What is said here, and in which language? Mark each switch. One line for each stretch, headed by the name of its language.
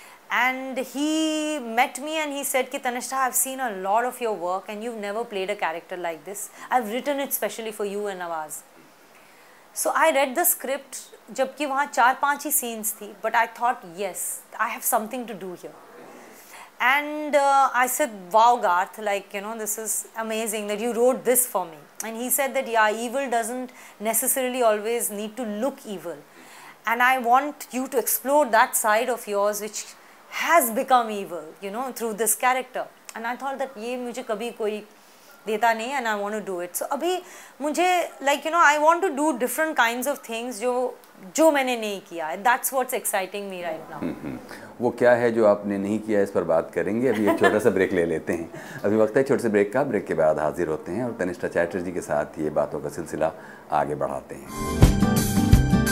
English: And he met me and he said कि Tannishtha I have seen a lot of your work and you never played a character like this, I have written it specially for you and Nawaz. So I read the script,
Hindi: जबकि वहाँ 4-5 ही scenes थी,
English: But I thought yes I have something to do here. And I said, wow, Garth, like, you know, this is amazing that you wrote this for me. And he said that, yeah, evil doesn't necessarily always need to look evil. And I want you to explore that side of yours which has become evil, you know, through this character. And I thought that
Hindi: ye mujhe kabhi koi deta nahi
English: and I want to do it. So
Hindi: abhi mujhe,
English: like, you know, I want to do different kinds of things
Hindi: jo maine nahi kiya.
English: That's what's exciting me right now.
Hindi: वो क्या है जो आपने नहीं किया इस पर बात करेंगे. अभी एक छोटा सा ब्रेक ले लेते हैं. अभी वक्त है छोटे से ब्रेक का. ब्रेक के बाद हाजिर होते हैं और तनिष्ठा चैटर्जी के साथ ये बातों का सिलसिला आगे बढ़ाते हैं.